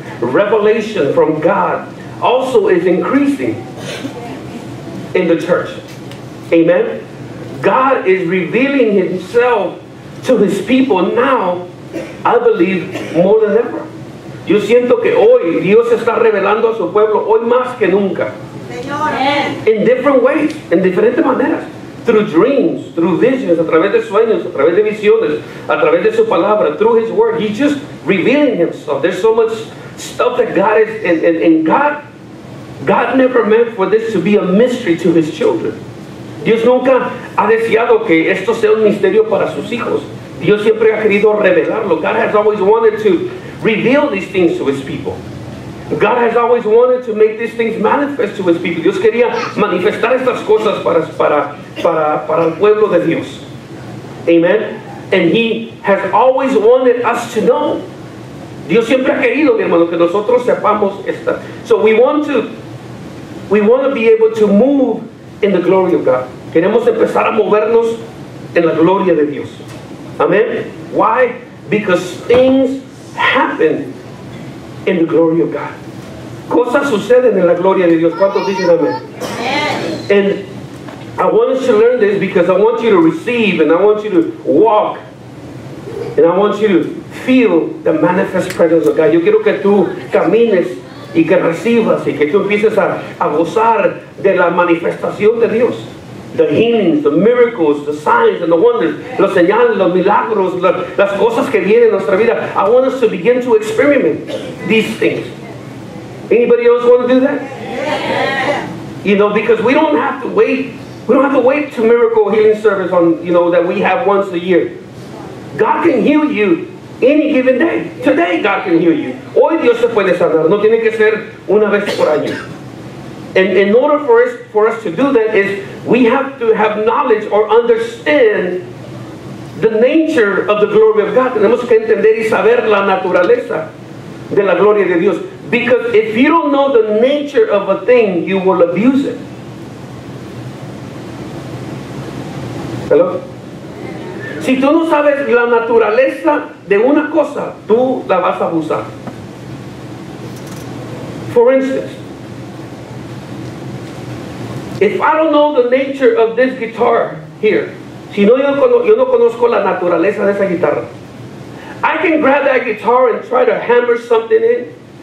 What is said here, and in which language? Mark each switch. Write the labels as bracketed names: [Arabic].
[English] Revelation from God also is increasing in the church. Amen. God is revealing himself to his people now, I believe, more than ever. [Spanish] Yo siento que hoy Dios está revelando a su pueblo, hoy más que nunca. [English] In different ways, [Spanish] en diferentes maneras. [English] through dreams, through visions, [Spanish] a través de sueños, a través de visiones, a través de su palabra, [English] through his word. He's just revealing himself. There's so much stuff that God is, and God never meant for this to be a mystery to his children. [Spanish] Dios nunca ha deseado que esto sea un misterio para sus hijos. Dios siempre ha querido revelarlo. [English] God has always wanted to reveal these things to his people. God has always wanted to make these things manifest to his people. [Spanish] Dios quería manifestar estas cosas para el pueblo de Dios. [English] Amen. And he has always wanted us to know. [Spanish] Dios siempre ha querido, mi hermano, que nosotros sepamos esta. [English] So we want to be able to move in the glory of God. [Spanish] Queremos empezar a movernos en la gloria de Dios. [English] Amen. Why? Because things happen in the glory of God. [Spanish] Cosas suceden en la gloria de Dios. ¿Cuántos dicen amén? [English] And I want you to learn this because I want you to receive and I want you to walk and I want you to feel the manifest presence of God. [Spanish] Yo quiero que tú camines y que recibas y que tú empieces a gozar de la manifestación de Dios. [English] The healings, the miracles, the signs and the wonders, [Spanish] los señales, los milagros, las cosas que vienen en nuestra vida. [English] I want us to begin to experiment these things. Anybody else want to do that? Yeah. You know, because we don't have to wait. We don't have to wait to miracle healing service on, you know, that we have once a year. God can heal you any given day. Today God can heal you. [Spanish] Hoy Dios se puede sanar. No tiene que ser una vez por año. [English] And in order for us to do that is we have to have knowledge or understand the nature of the glory of God. [Spanish] Tenemos que entender y saber la naturaleza de la gloria de Dios. [English] Because if you don't know the nature of a thing, you will abuse it. Hello? [Spanish] Si tú no sabes la naturaleza de una cosa, tú la vas a abusar. [English] For instance, if I don't know the nature of this guitar here, [Spanish] si no yo no conozco la naturaleza de esa guitarra, [English] I can grab that guitar and try to hammer something in.